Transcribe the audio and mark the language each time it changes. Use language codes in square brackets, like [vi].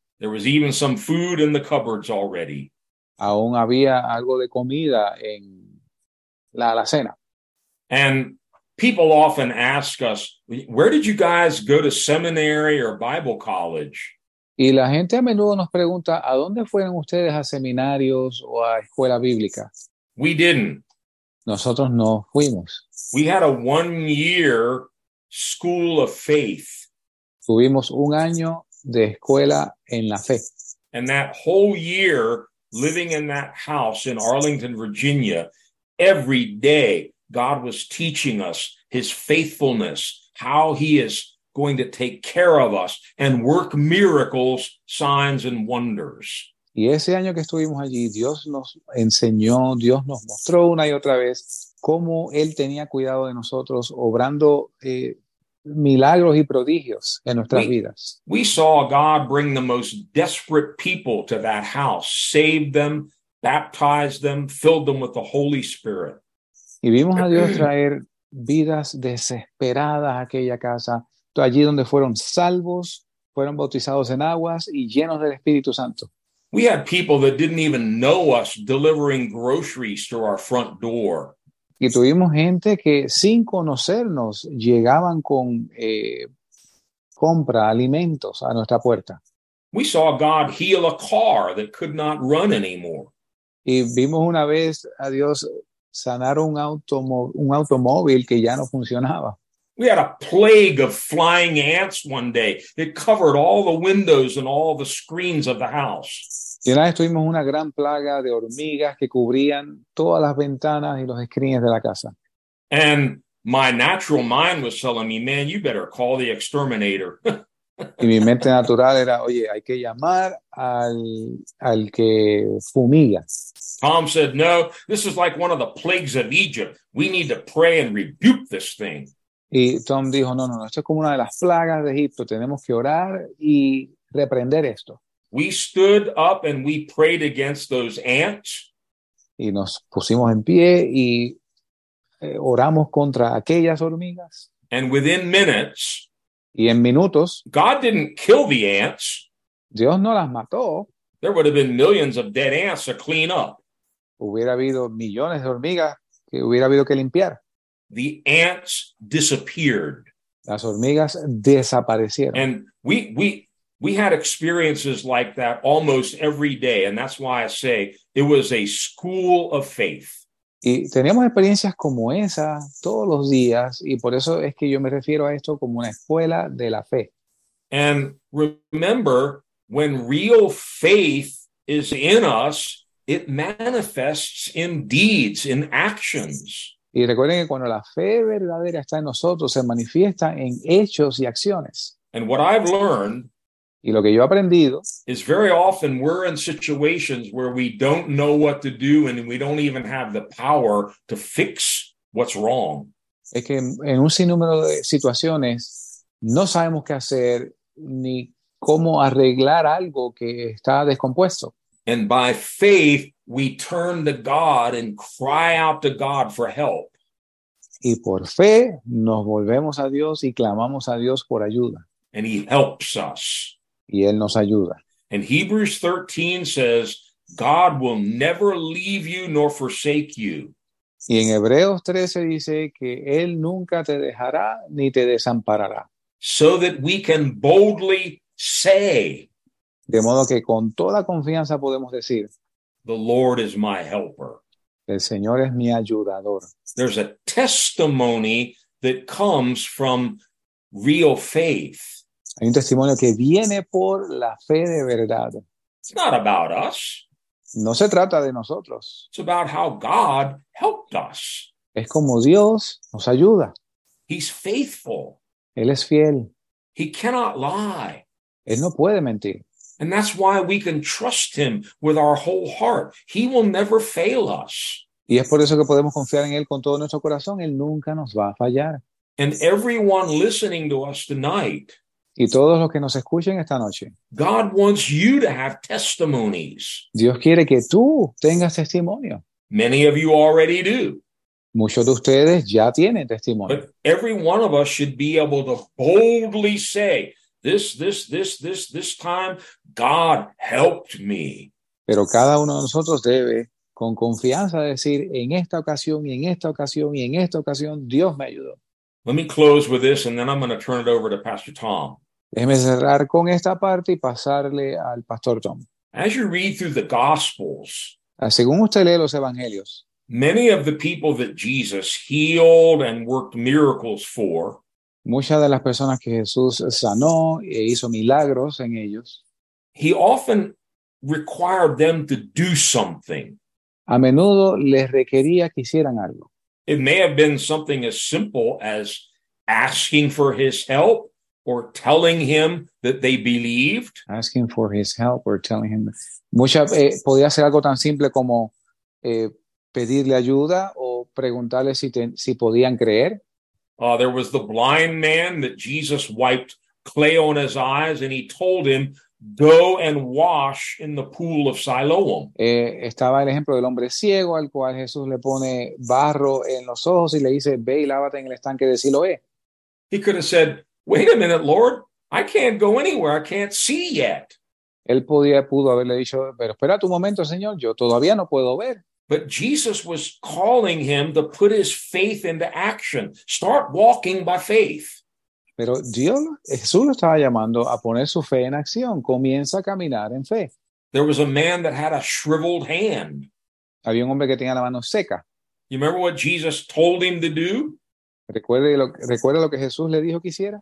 [en] There was even some food in the cupboards already. [es] Aún había algo de comida en la alacena. [en] And people often ask us, where did you guys go to seminary or Bible college? [es] Y la gente a menudo nos pregunta, ¿a dónde fueron ustedes a seminarios o a escuela bíblica? [en] We didn't. [es] Nosotros no fuimos. [en] We had a 1 year school of faith. [es] Tuvimos un año de escuela en la fe. [en] And that whole year living in that house in Arlington, Virginia, every day God was teaching us his faithfulness, how he is going to take care of us and work miracles, signs and wonders. [es] Y ese año que estuvimos allí, Dios nos enseñó, Dios nos mostró una y otra vez cómo él tenía cuidado de nosotros, obrando milagros y prodigios en nuestras vidas. [en] We saw God bring the most desperate people to that house, saved them, baptized them, filled them with the Holy Spirit. [es] Y vimos a Dios traer vidas desesperadas a aquella casa, allí donde fueron salvos, fueron bautizados en aguas y llenos del Espíritu Santo. [en] We had people that didn't even know us delivering groceries to our front door. [es] Y tuvimos gente que sin conocernos llegaban con compra, alimentos a nuestra puerta. [en] We saw God heal a car that could not run anymore. [es] Y vimos una vez a Dios sanar un automóvil que ya no funcionaba. [en] We had a plague of flying ants one day. It covered all the windows and all the screens of the house. [es] Y una vez tuvimos una gran plaga de hormigas que cubrían todas las ventanas y los escrines de la casa. [en] And my natural mind was telling me, man, you better call the exterminator. [es] Y mi mente natural era, oye, hay que llamar al que fumiga. [en] Tom said, no, this is like one of the plagues of Egypt. We need to pray and rebuke this thing. [es] Y Tom dijo, no, no, no, esto es como una de las plagas de Egipto. Tenemos que orar y reprender esto. [en] We stood up and we prayed against those ants. [es] Y nos pusimos en pie y oramos contra aquellas hormigas. [en] And within minutes, [es] Y en minutos, [en] God didn't kill the ants. [es] Dios no las mató. [en] There would have been millions of dead ants to clean up. [es] Hubiera habido millones de hormigas que hubiera habido que limpiar. [en] The ants disappeared. [es] Las hormigas desaparecieron. [en] And we had experiences like that almost every day, and that's why I say it was a school of faith. [es] Y teníamos experiencias como esas todos los días, y por eso es que yo me refiero a esto como una escuela de la fe. [en] And remember, when real faith is in us, it manifests in deeds, in actions. [es] Y recuerden que cuando la fe verdadera está en nosotros, se manifiesta en hechos y acciones. [en] And what I've learned [es] Y lo que yo he aprendido. [en] is very often we're in situations where we don't know what to do and we don't even have the power to fix what's wrong. [es] Es que en un sinnúmero de situaciones no sabemos qué hacer ni cómo arreglar algo que está descompuesto. [en] And by faith, we turn to God and cry out to God for help. [es] Y por fe nos volvemos a Dios y clamamos a Dios por ayuda. [en] And he helps us. [es] Y Él nos ayuda. [en] And Hebrews 13 says, God will never leave you nor forsake you. [es] Y en Hebreos 13 dice que Él nunca te dejará ni te desamparará. [en] So that we can boldly say, [es] De modo que con toda confianza podemos decir, [en] the Lord is my helper. [es] el Señor es mi ayudador. [en] There's a testimony that comes from real faith. [es] Hay un testimonio que viene por la fe de verdad. [en] It's not about us. [es] No se trata de nosotros. [en] It's about how God helped us. [es] Es como Dios nos ayuda. [en] He's faithful. [es] Él es fiel. [en] He cannot lie. [es] Él no puede mentir. [en] And that's why we can trust him with our whole heart. He will never fail us. [es] Y es por eso que podemos confiar en Él con todo nuestro corazón. Él nunca nos va a fallar. [en] And everyone listening to us tonight, [es] Y todos los que nos escuchen esta noche. [en] God wants you to have testimonies. [es] Dios quiere que tú tengas testimonio. [en] Many of you already do. [es] Muchos de ustedes ya tienen testimonio. [en] But every one of us should be able to boldly say, this time, God helped me. [es] Pero cada uno de nosotros debe con confianza decir, en esta ocasión y en esta ocasión y en esta ocasión, Dios me ayudó. [en] Let me close with this and then I'm going to turn it over to Pastor Tom. [es] Déjeme cerrar con esta parte y pasarle al pastor Tom. [en] As you read through the Gospels, [es] Según usted lee los evangelios, [en] many of the people that Jesus healed and worked miracles for, [es] muchas de las personas que Jesús sanó e hizo milagros en ellos, [en] he often required them to do something. [es] a menudo les requería que hicieran algo. [en] It may have been something as simple as asking for his help or telling him that they believed. Asking for his help or telling him. [es] Podía ser algo tan simple como pedirle ayuda o preguntarle si podían creer. [en] There was the blind man that Jesus wiped clay on his eyes and he told him, go and wash in the pool of Siloam. [es] Estaba el ejemplo del hombre ciego al cual Jesús le pone barro en los ojos y le dice, ve y lávate en el estanque de Siloé. [en] He could have said, wait a minute, Lord, I can't go anywhere, I can't see yet. [es] Él pudo haberle dicho, pero espera tu momento, Señor, yo todavía no puedo ver. [en] But Jesus was calling him to put his faith into action. Start walking by faith. [es] Pero Jesús lo estaba llamando a poner su fe en acción. Comienza a caminar en fe. [en] There was a man that had a shriveled hand. [es] Había un hombre que tenía la mano seca. [en] You remember what Jesus told him to do? [es] Recuerda lo que Jesús le dijo que hiciera.